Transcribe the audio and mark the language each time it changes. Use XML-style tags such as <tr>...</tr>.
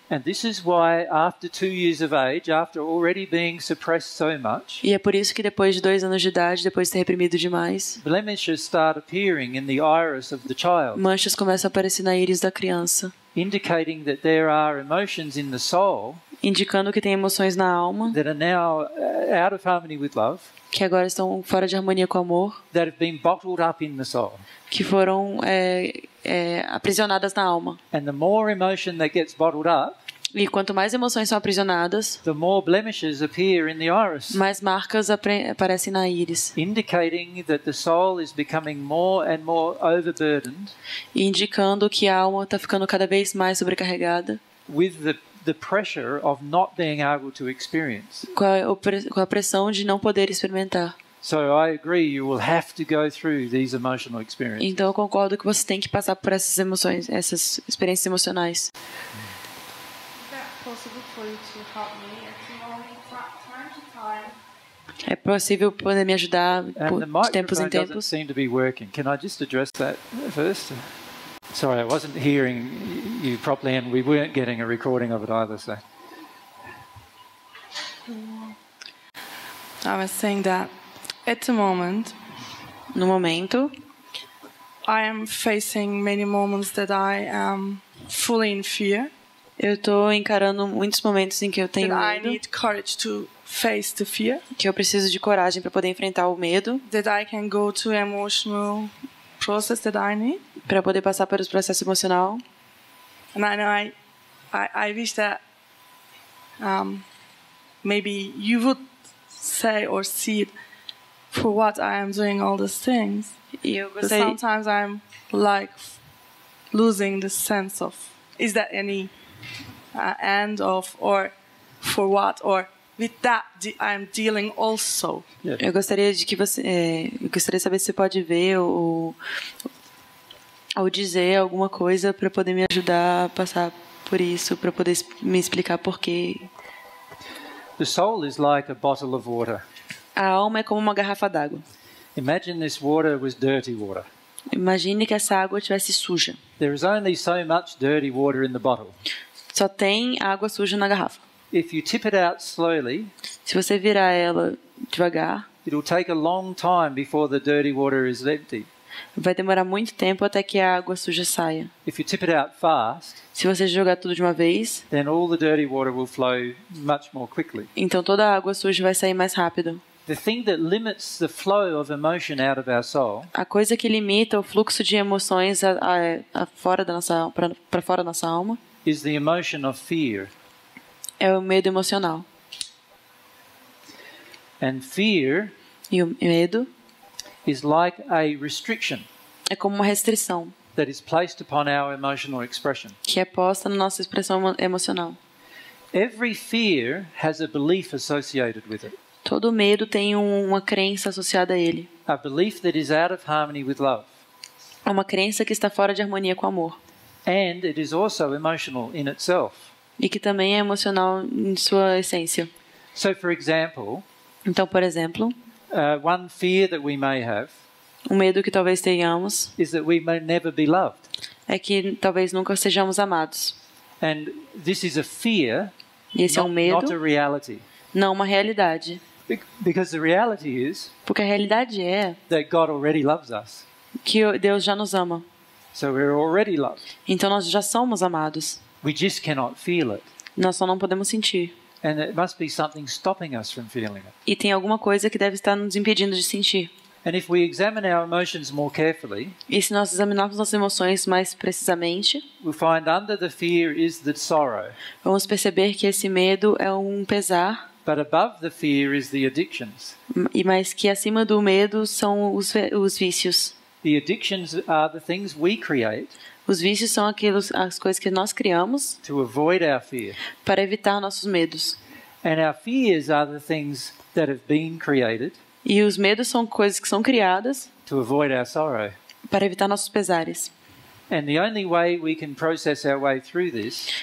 <en>And this is why after 2 years of age, after already being suppressed so much.</en> <pt>E é por isso que depois de 2 anos de idade, depois de ter reprimido demais,</pt> <en>blemishes start appearing in the iris of the child.</en> <pt>Manchas começam a aparecer na íris da criança.</pt> <en>Indicating that there are emotions in the soul.</en> <pt>Indicando que tem emoções na alma.</pt> <en>That are now out of harmony with love.</en> <pt>Que agora estão fora de harmonia com o amor.</pt> <en>That have been bottled up in the soul.</en> <pt>Que foram aprisionadas na alma.</pt> <en>And the more emotion that gets bottled up,</en> <pt>e quanto mais emoções são aprisionadas,</pt> <en>the more blemishes appear in the iris,</en> <pt>mais marcas aparecem na íris.</pt> <en>Indicating that the soul is becoming more and more overburdened,</en> <pt>indicando que a alma está ficando cada vez mais sobrecarregada</pt> <en>with the the pressure of not being able to experience.</en> <pt>Com a pressão de não poder experimentar.</pt> <en>So I agree you will have to go through these emotional experiences.</en> <pt>Então eu concordo que você tem que passar por essas emoções, essas experiências emocionais. É possível poder me ajudar de tempos em tempos?</pt> <en>Doesn't seem to be working. Can I just address that first? Sorry, I wasn't hearing you properly and we weren't getting a recording of it either, so. I was saying that at the moment,</en> <pt>no momento,</pt> <en>I am facing many moments that I am fully in fear.</en> <pt>Eu estou encarando muitos momentos em que eu tenho medo.</pt> <en>I need courage to face the fear.</en> <pt>Que eu preciso de coragem para poder enfrentar o medo.</pt> <en>That I can go to emotional process that I need.</en> <pt>Para poder passar pelos processos emocional.</pt> <en>And I know I wish that maybe you would say or see it for what I am doing all these things. Sometimes I'm like losing the sense of is that any end of or for what or with that I'm dealing also. Yeah.</en> <pt>Eu gostaria de que você eu gostaria de saber se você pode ver ou dizer alguma coisa para poder me ajudar a passar por isso, para poder me explicar por quê.</pt> <en>The soul is like a bottle of water.</en> <pt>A alma é como uma garrafa d'água.</pt> <en>Imagine this water was dirty water.</en> <pt>Imagine que essa água tivesse suja.</pt> <en>There is only so much dirty water in the bottle.</en> <pt>Só tem água suja na garrafa.</pt> <en>If you tip it out slowly,</en> <pt>se você virar ela devagar,</pt> <en>it will take a long time before the dirty water is empty.</en> <pt>Vai demorar muito tempo até que a água suja saia.</pt> <en>If you tip it out fast,</en> <pt>se você jogar tudo de uma vez,</pt> <en>then all the dirty water will flow much more quickly.</en> <pt>Então toda a água suja vai sair mais rápido.</pt> <en>The thing that limits the flow of emotion out of our soul,</en> <pt>a coisa que limita o fluxo de emoções a fora da nossa, para fora da nossa alma,</pt> <en>is the emotion of fear.</en> <pt>É o medo emocional.</pt> <en>And fear,</en> <pt>e o medo,</pt> <en>is like a restriction.</en> <pt>É como uma restrição.</pt> <en>That is placed upon our emotional expression.</en> <pt>Que é posta na nossa expressão emocional.</pt> <en>Every fear has a belief associated with it.</en> <pt>Todo medo tem uma crença associada a ele.</pt> <en>A belief that is out of harmony with love.</en> <pt>É uma crença que está fora de harmonia com o amor.</pt> <en>And it is also emotional in itself.</en> <pt>E que também é emocional em sua essência.</pt> <en>So for example,</en> <pt>então, por exemplo,</pt> <en>one fear that we may have,</en> <pt>um medo que talvez tenhamos,</pt> <en>is that we may never be loved.</en> <pt>É que talvez nunca sejamos amados.</pt> <en>And this is a fear,</en> <pt>esse é um medo,</pt> <en>not a reality.</en> <pt>Não uma realidade.</pt> <en>Because the reality is,</en> <pt>porque a realidade é,</pt> <en>that God already loves us.</en> <pt>Que Deus já nos ama.</pt> <en>So we're already loved.</en> <pt>Então nós já somos amados.</pt> <en>We just cannot feel it.</en> <pt>Nós só não podemos sentir.</pt> <en>And it must be something stopping us from feeling it.</en> <pt>E tem alguma coisa que deve estar nos impedindo de sentir.</pt> <en>And if we examine our emotions more carefully,</en> <pt>e se nós examinarmos nossas emoções mais precisamente,</pt> <en>we find under the fear is the sorrow.</en> <pt>Vamos perceber que esse medo é pesar.</pt> <en>But above the fear is the addictions.</en> <pt>E mais que acima do medo são os vícios.</pt> <en>The addictions are the things we create.</en> <pt>Os vícios são as coisas que nós criamos para evitar nossos medos.</pt> <en>And our fears are the things that have been created.</en> <pt>E os medos são coisas que são criadas</pt> <en>to avoid our sorrow.</en> <pt>Para evitar nossos pesares.</pt> <en>And the only way we can process our way through this,</en>